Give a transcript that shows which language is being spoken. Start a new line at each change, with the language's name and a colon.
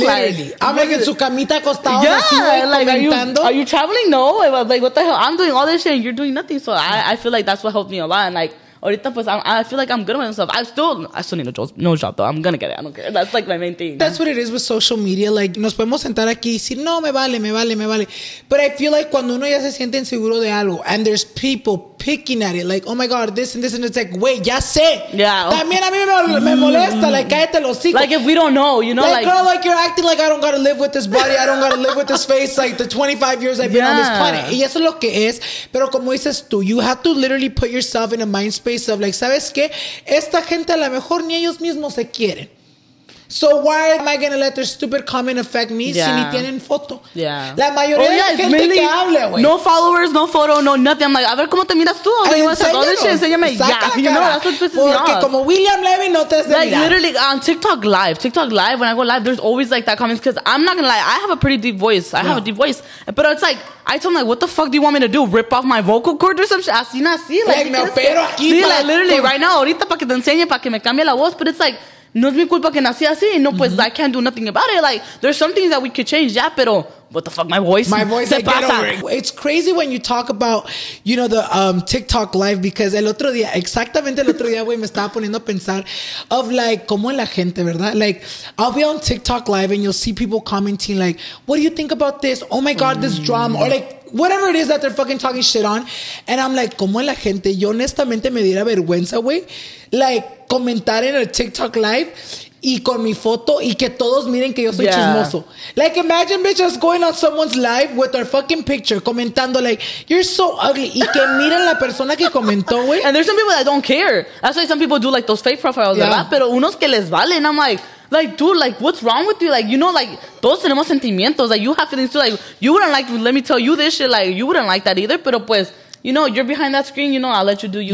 English: Literally, like, I'm,
Spanish: su camita acostado,
English: yeah,
Spanish: así,
English: like, are you traveling? No, like, what the hell, I'm doing all this shit, and you're doing nothing, so I feel like that's what helped me a lot, and, like,
Spanish: ahorita, pues,
English: I feel like I'm good with myself. I still need a nose job, though. I'm gonna get it. I don't care. That's, like, my main thing. That's what it is with social media.
Spanish: Like, nos podemos sentar aquí y decir, no, me vale.
English: But I feel like
Spanish: cuando uno ya se siente inseguro de algo
English: and there's people picking at it, like, oh, my God, this and it's like, wait,
Spanish: ya sé.
English: Yeah.
Spanish: También a mí me molesta. Like, cállate los hijos.
English: Like, if we don't know, you know, like... girl, like, you're acting like I don't gotta live with this body. I don't gotta live with this face. Like, the 25 years I've been on this planet.
Spanish: Y eso es lo que es. Pero como dices tú,
English: you have to literally put yourself in a mind space of like,
Spanish: ¿sabes qué? Esta gente a lo mejor ni ellos mismos se quieren.
English: So why am I going to let their stupid comment affect me
Spanish: si ni tienen foto?
English: Yeah.
Spanish: La mayoría de gente mainly, que hable, güey.
English: No followers, no photo, no nothing. I'm like,
Spanish: a ver, ¿cómo te miras tú? Enséñalo. Enséñame. Saca la cara.
English: You know, that's what pisses me off.
Spanish: Porque como William Levy no te has de mirar.
English: Like, literally, TikTok live, when I go live, there's always, like, that comment. Because I'm not going to lie, I have a pretty deep voice. I have a deep voice. But it's like, I told him, like, what the fuck do you want me to do? Rip off my vocal cord or some shit?
Spanish: Así, no, así. Like, me opero aquí. Sí,
English: like, literally, right now,
Spanish: ahorita, para que te enseñe, para que me cambie la voz.
English: But it's like,
Spanish: no es mi culpa que nací así.
English: No, pues, I can't do nothing about it. Like, there's some things that we could change, yeah, pero what the fuck, my voice, I get over it. It's crazy when you talk about, you know, the TikTok live, because
Spanish: el otro día, exactamente el otro día, güey, me estaba poniendo a pensar
English: of, like,
Spanish: como la gente, ¿verdad?
English: Like, I'll be on TikTok live and you'll see people commenting, like, what do you think about this? Oh, my God, this drama. Or, like, whatever it is that they're fucking talking shit on. And I'm like,
Spanish: como la gente, yo honestamente me diera vergüenza, güey, like, comentar en el TikTok live y con mi foto y que todos miren que yo soy chismoso.
English: Like, imagine, bitch, us going on someone's live with our fucking picture, comentando, like, you're so ugly.
Spanish: Y que miren la persona que comentó, güey.
English: And there's some people that don't care. That's why some people do, like, those fake profiles, ¿verdad?
Spanish: Pero unos que les valen,
English: I'm like... Like, dude, like, what's wrong with you? Like, you know, like,
Spanish: todos tenemos sentimientos.
English: Like, you have feelings too. Like, you wouldn't like, let me tell you this shit. Like, you wouldn't like that either. Pero pues, you know, you're behind that screen. You know, I'll let you do you.